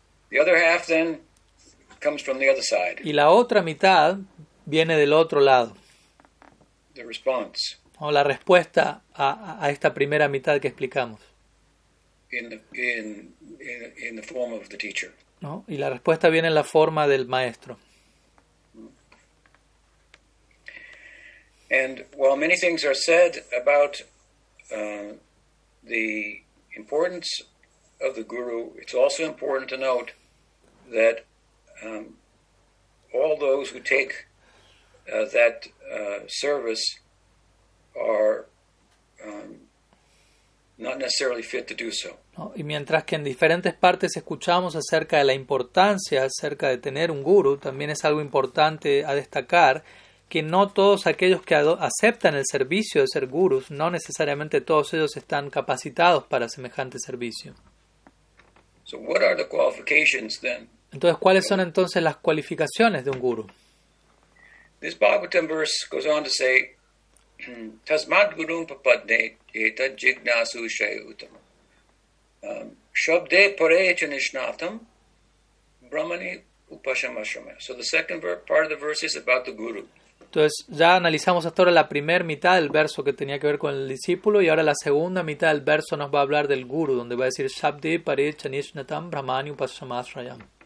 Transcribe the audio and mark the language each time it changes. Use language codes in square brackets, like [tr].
[en] The other half then comes from the other side. [es] Y la otra mitad viene del otro lado. [en] The response. [es] O la respuesta a esta primera mitad que explicamos. [en] In the form of the teacher. [es] ¿No? Y la respuesta viene en la forma del maestro. [en] And while many things are said about the importance of the guru, it's also important to note that all those who take that service are not necessarily fit to do so. [es] No, y mientras que en diferentes partes escuchamos acerca de la importancia acerca de tener un guru, también es algo importante a destacar que no todos aquellos que aceptan el servicio de ser gurús, no necesariamente todos ellos están capacitados para semejante servicio. [en] So what are the qualifications then? [es] Entonces, ¿cuáles son entonces las cualificaciones de un guru? [en] This Bhagavatam verse goes on to say, [sa] Tasmat gurum papadne eta jignasu shayutam. Shabde pare chanishnatam brahmani upashamashrame. [en] So the second part of the verse is about the guru. [es] Entonces, ya analizamos hasta ahora la primera mitad del verso que tenía que ver con el discípulo, y ahora la segunda mitad del verso nos va a hablar del guru, donde va a decir [sa] Shabde pare chanishnatam brahmani upashamashrame.